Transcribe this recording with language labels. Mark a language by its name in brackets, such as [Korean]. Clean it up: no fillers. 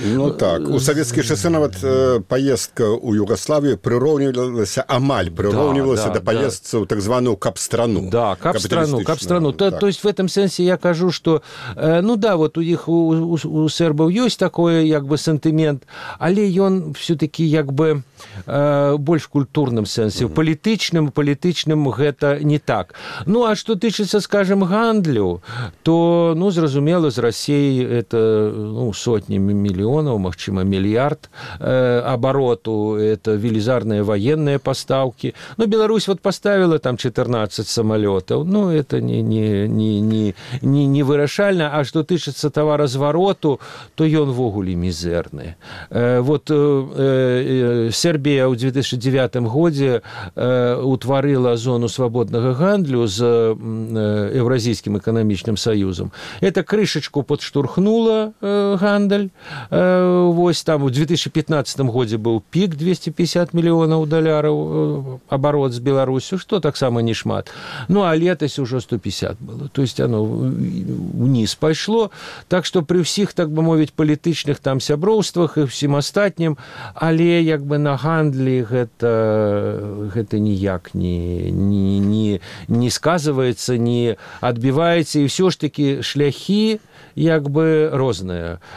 [Russian] Ну так, у советских часы вот, поездка у Югославии приравнивалась, амаль приравнивалась, да, да, до поездки, да, в так званую капстрану. Да, капстрану, капстрану. То есть в этом сенсе я кажу, что ну да, вот у них, у сербов есть такой, как бы, сентимент, але он все-таки, как бы, больш культурным сэнсе. [Belarusian] Политичным, политичным гэта не так. [Russian] Ну, а что тычыцца, скажем, гандлю, то, ну, зразумела, з Россией это, ну, сотни миллионов, максима миллиард обороту, это велизарные военные поставки. [Belarusian] Ну, Беларусь вот [Russian] поставила там 14 самолетов, [Belarusian] ну, это не вырашальна, а что тычыцца товаразвороту, то ён вогулі мізэрны. Вот Сербія у 2009 годзе утварыла зону свабоднага гандлю з Еўразійскім эканамічным саюзам. Это крышачку падштурхнула гандаль. Вось там у 2015 годзе быў пік 250 мільёнаў даляраў абарот з Беларусю, што таксама не шмат. Ну, а летась ўжо 150 было. [Russian] То есть оно вниз [Belarusian] пайшло. Так што пры ўсіх, так бы мовіць, палітычных там сяброўствах і всім астатнім, але як бы на гандлі гэта ніяк не сказываецца, не адбіваецца, і ўсё ж такі шляхі як бы розныя.